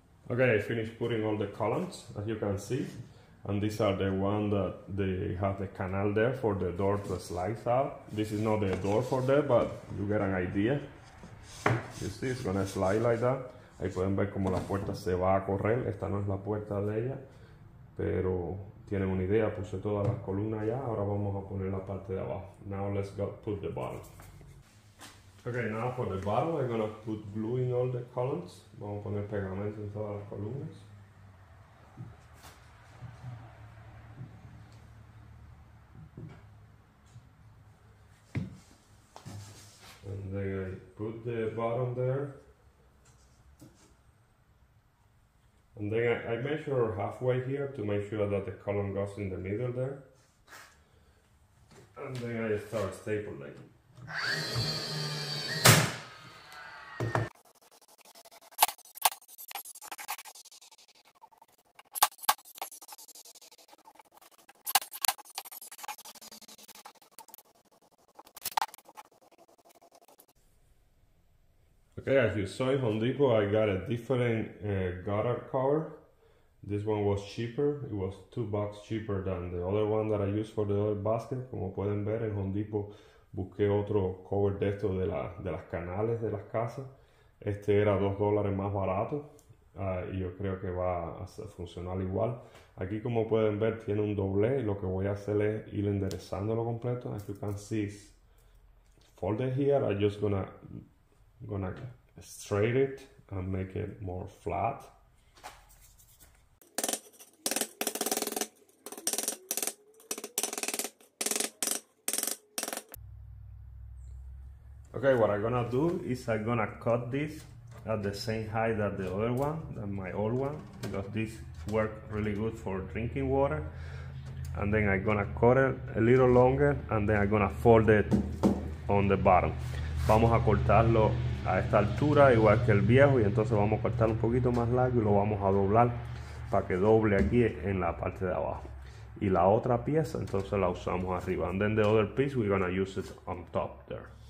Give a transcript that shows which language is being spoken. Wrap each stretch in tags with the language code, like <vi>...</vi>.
<en>Okay, I finished putting all the columns, as you can see. And these are the ones that they have the canal there for the door to slice out. This is not the door for there, but you get an idea. You see, it's gonna slide like that.</en> <es>Ahí pueden ver como la puerta se va a correr. Esta no es la puerta de ella, pero tienen una idea. Puse todas las columnas ya. Ahora vamos a poner la parte de abajo.</es> <en>Now let's go put the bottom. Okay, now for the bottom, I'm gonna put glue in all the columns.</en> <es>Vamos a poner pegamento en todas las columnas.</es> <en>And then I put the bottom there. And then I measure halfway here to make sure that the column goes in the middle there. And then I start stapling. Okay, as you saw in Home Depot, I got a different gutter cover. This one was cheaper. It was $2 cheaper than the other one that I used for the other basket.</en> <es>Como pueden ver, en Home Depot busqué otro cover de esto de las canales de las casas. Este era $2 más barato y yo creo que va a funcionar igual. Aquí, como pueden ver, tiene un doble. Lo que voy a hacer es ir enderezándolo completo.</es> <en>As you can see, it's folded here. I'm just gonna straight it and make it more flat. Okay, what I'm gonna do is I'm gonna cut this at the same height as the other one, than my old one, because this worked really good for drinking water. And then I'm gonna cut it a little longer and then I'm gonna fold it on the bottom.</en> <es>Vamos a cortarlo a esta altura, igual que el viejo, y entonces vamos a cortar un poquito más largo y lo vamos a doblar para que doble aquí en la parte de abajo. Y la otra pieza, entonces la usamos arriba.</es> <en>And then the other piece, we're gonna use it on top there.</en>